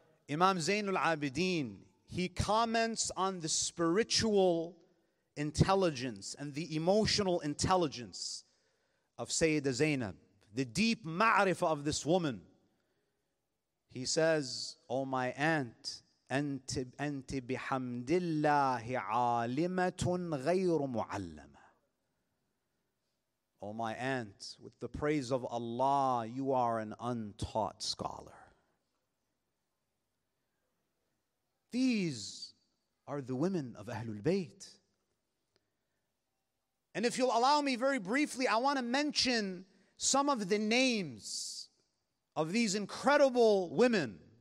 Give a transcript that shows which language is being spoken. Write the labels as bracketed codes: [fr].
[en] Imam Zainul Abideen, he comments on the spiritual intelligence and the emotional intelligence of Sayyidah Zainab, the deep ma'rifah of this woman. He says, oh my aunt, [ar] أنت بحمد الله عالمة غير معلمة. [en] Oh my aunt, with the praise of Allah, you are an untaught scholar. These are the women of Ahlul Bayt. And if you'll allow me very briefly, I want to mention some of the names of these incredible women.